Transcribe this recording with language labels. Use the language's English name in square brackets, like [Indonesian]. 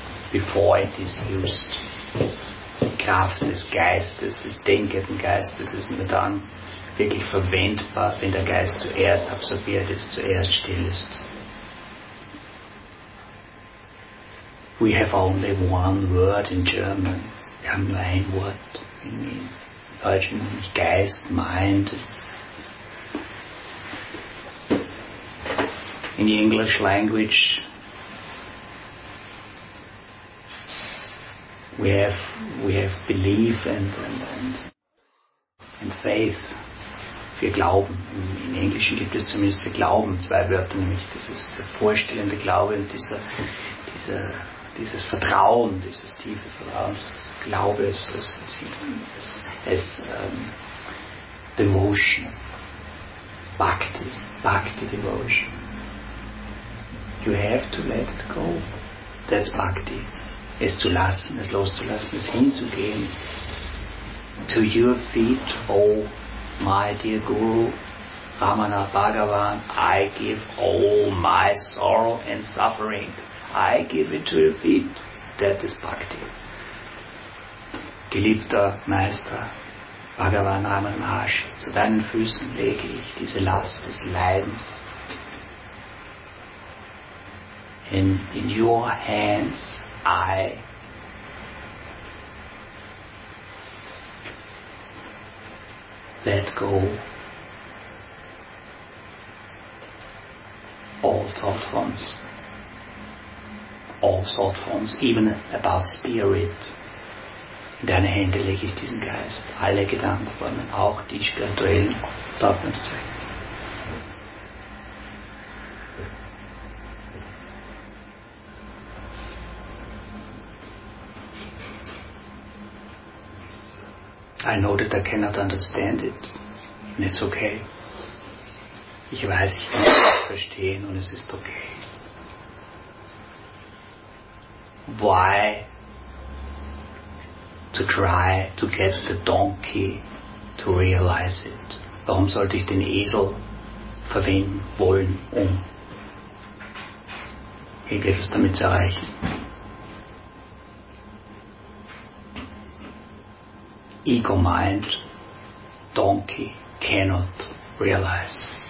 [English] Before it is used. [German] Die Kraft des Geistes, des denkenden Geistes, ist nur dann wirklich verwendbar, wenn der Geist zuerst absorbiert ist, zuerst still ist. [English] We have only one word in German. [German] Wir haben nur ein Wort in Deutsch, nämlich Geist, Mind. [English] In the English language, We have belief and faith. [German] Wir glauben. Im Englischen gibt es zumindest wir glauben zwei Wörter, nämlich das ist der vorstellende Glaube und dieses Vertrauen, dieses tiefe Vertrauen, dieses Glaube als Devotion, Bhakti Devotion. [English] You have to let it go. That's Bhakti. [German] Es zu lassen, es loszulassen, es hinzugehen. [English] To your feet, oh my dear Guru, Ramana Bhagavan, I give all my sorrow and suffering. I give it to your feet. That is Bhakti. [German] Geliebter Meister, Bhagavan Ramana Maharshi, zu deinen Füßen lege ich diese Last des Leidens. [English] In your hands, I let go all thought forms, even about spirit. [German] In deine Hände lege ich diesen Geist, alle Gedankenformen, auch die spirituellen, darf man zeigen. [English] I know that I cannot understand it, and it's okay. [German] Ich weiß, ich kann es nicht verstehen, und es ist okay. [English] Why to try to get the donkey to realize it? [German] Warum sollte ich den Esel verwenden wollen, um irgendetwas damit zu erreichen? [English] Ego-Mind, Donkey, cannot realize.